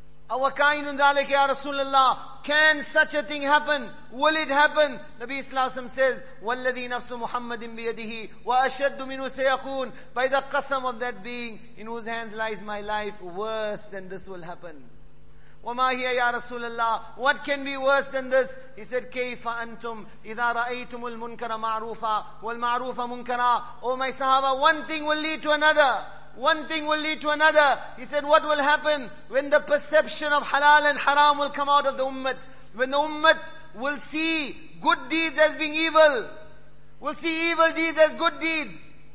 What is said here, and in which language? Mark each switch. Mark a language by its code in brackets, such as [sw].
[ar] أَوَكَائِنُ ذَلَكَ يَا رَسُولَ اللَّهِ, [en] can such a thing happen? Will it happen? Nabi sallallahu alayhi wa sallam says, [ar] وَالَّذِي نَفْسُ مُحَمَّدٍ بِيَدِهِ وَأَشَدُّ مِنُهُ سَيَكُونَ, [en] by the qasam of that being in whose hands lies my life, worse than this will happen. [ar] وَمَا هِيَ يَا رَسُولَ اللَّهِ, [en] what can be worse than this? He said, [ar] كَيْفَ أَنْتُمْ إِذَا رَأَيْتُمُ الْمُنْكَرَ مَعْرُوفًا وَالْمَعْرُوفَ مُنْكَرًا. [en] Oh my sahaba, one thing will lead to another. One thing will lead to another. He said, what will happen when the perception of halal and haram will come out of the ummah? When the ummah will see good deeds as being evil, will see evil deeds as good deeds.